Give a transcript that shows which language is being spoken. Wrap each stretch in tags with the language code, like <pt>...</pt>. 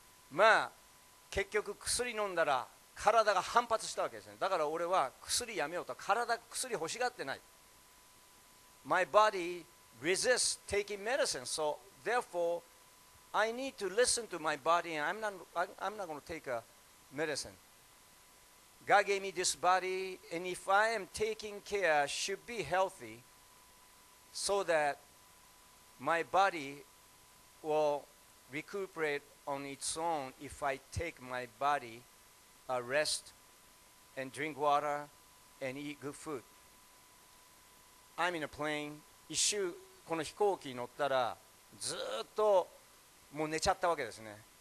<ja>まあ結局薬飲んだら体が反発したわけですね。だから俺は薬やめようと、体薬欲しがってない。</ja> <en>My body resists taking medicine, so therefore I need to listen to my body and I'm not going to take a medicine. God gave me this body and if I am taking care should be healthy so thatMy body will recuperate on its own if I take my body a rest and drink water and eat good food. I'm in a plane.</en> <ja>一周この飛行機に乗ったらずっともう寝ちゃったわけですね。</ja>